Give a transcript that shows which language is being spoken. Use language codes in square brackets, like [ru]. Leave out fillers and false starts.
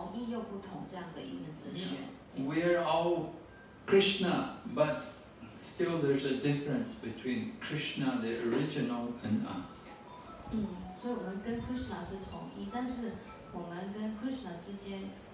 [zh] 那他的哲学呢，就解释了所有的一切是这个不可思议的，既一又异，就是又不同，同一又不同这样的一个哲学。Yeah. [en] We are all Krishna, but still there's a difference between Krishna, the original, and us. [zh] 所以我们跟 Krishna 是同一，但是我们跟 Krishna 之间。